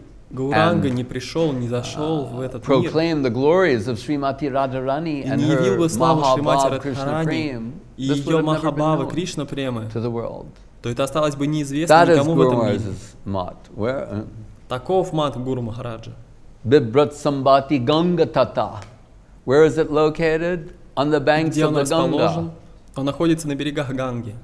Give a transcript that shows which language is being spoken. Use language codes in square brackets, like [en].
[ru] Гауранга не пришел, не зашел в этот мир. [en] Proclaim the glories of Srimati Radharani and her Mahabhava Krishna Prema to the world. [ru] То это осталось бы неизвестно никому в этом мире. Таков мат Гуру Махараджа. [sa] Bibrat Sambhati Ganga Tata. [en] Where is it located? On the banks of the Ganga. [ru] Он находится на берегах Ганги.